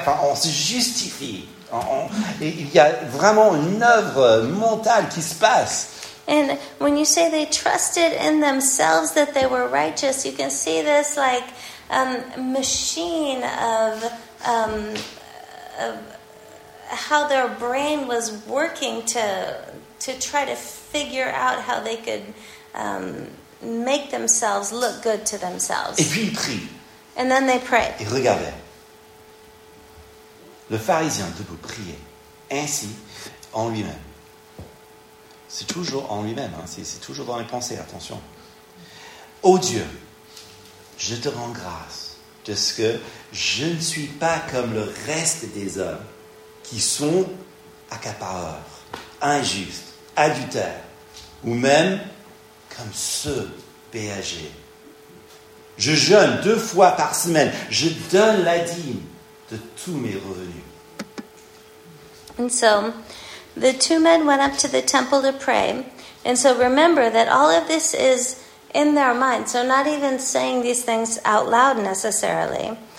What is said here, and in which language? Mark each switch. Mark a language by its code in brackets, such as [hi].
[fr] Enfin, on se justifie. Et il y a vraiment une œuvre mentale qui se passe. [en] And when you say they trusted in themselves that they were righteous, you can see this like machine of how their brain was working to try to figure out how they could make themselves look good to themselves. [fr] Et puis ils prient. [en] And then they pray. [fr] Et regardez, le pharisien debout priait ainsi en lui-même. C'est toujours en lui-même, hein. C'est toujours dans les pensées, attention. Ô Dieu, je te rends grâce de ce que je ne suis pas comme le reste des hommes qui sont accapareurs, injustes, adultères, ou même comme ceux péagers. Je jeûne deux fois par semaine, je donne la dîme de tous mes revenus. [en] And so, the two men went up to the temple to pray. And so remember that all of this is in their mind. So not even saying these things out loud necessarily.